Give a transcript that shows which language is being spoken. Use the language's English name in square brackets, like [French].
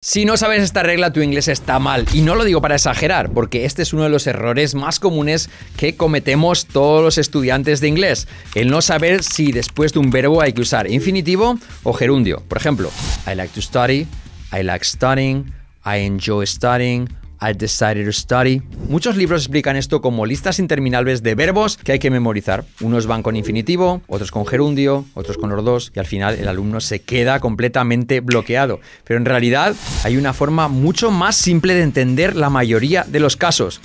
[Spanish] Si no sabes esta regla, tu inglés está mal. Y no lo digo para exagerar, porque este es uno de los errores más comunes que cometemos todos los estudiantes de inglés. El no saber si después de un verbo hay que usar infinitivo o gerundio. Por ejemplo, [English] I like to study, I like studying, I enjoy studying, I decided to study. [Spanish] Muchos libros explican esto como listas interminables de verbos que hay que memorizar. Unos van con infinitivo, otros con gerundio, otros con los dos, y al final el alumno se queda completamente bloqueado. Pero en realidad hay una forma mucho más simple de entender la mayoría de los casos.